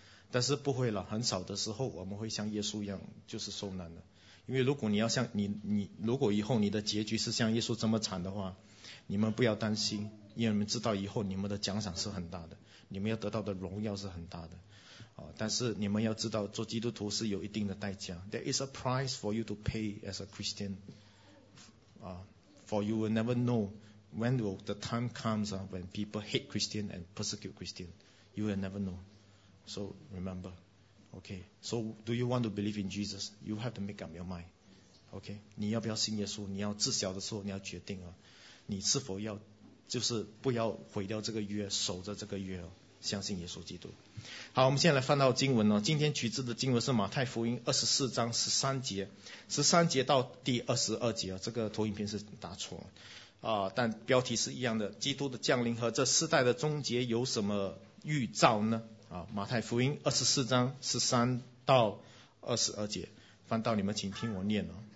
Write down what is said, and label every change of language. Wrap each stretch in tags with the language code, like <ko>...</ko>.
<zh>但是不会了，很少的时候我们会像耶稣一样就是受难的，因为如果你要像你如果以后你的结局是像耶稣这么惨的话，你们不要担心，因为你们知道以后你们的奖赏是很大的，你们要得到的荣耀是很大的但是你们要知道做基督徒是有一定的代价。</zh> <en>There is a price for you to pay as a Christian for you will never know when will the time comes when people hate Christian and persecute Christian. You will never know. So remember. Okay. So do you want to believe in Jesus? You have to make up your mind. Okay.</en> <zh>你要不要信耶稣，你要自小的时候你要决定你是否要就是不要毁掉这个约，守着这个约相信耶稣基督。好，我们现在来翻到经文今天取自的经文是马太福音24章13节，13节到第22节这个投影片是打错但标题是一样的，基督的降临和这世代的终结有什么预兆呢马太福音24章13到22节，翻到你们请听我念</zh>